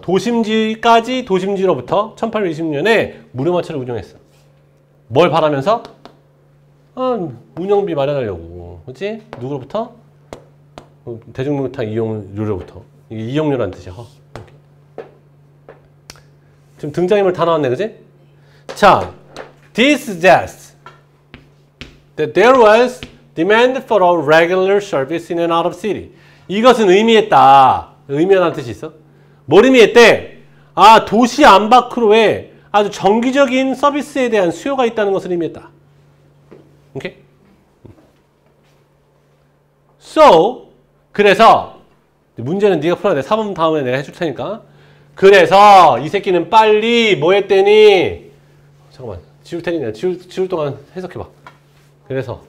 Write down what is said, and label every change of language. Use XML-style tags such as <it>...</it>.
<ko>도심지까지 도심지로부터 1820년에 무료마차를 운영했어. 뭘 바라면서? 아, 운영비 마련하려고. 그지? 누구로부터? 대중목욕탕 이용료로부터. 이게 이용료란 뜻이야. 지금 등장인물 다 나왔네, 그지?</ko> <en>자, this suggests that there was demand for a regular service in and out of city.</en> <ko>이것은 의미했다. 의미하다는 뜻이 있어. 뭘 의미했대? 아, 도시 안팎으로의 아주 정기적인 서비스에 대한 수요가 있다는 것을 의미했다. 오케이? So, 그래서 문제는 네가 풀어야 돼. 4번 다음에 내가 해줄 테니까. 그래서 이 새끼는 빨리 뭐 했더니 잠깐만 지울 테니까 지울 동안 해석해봐. 그래서</ko>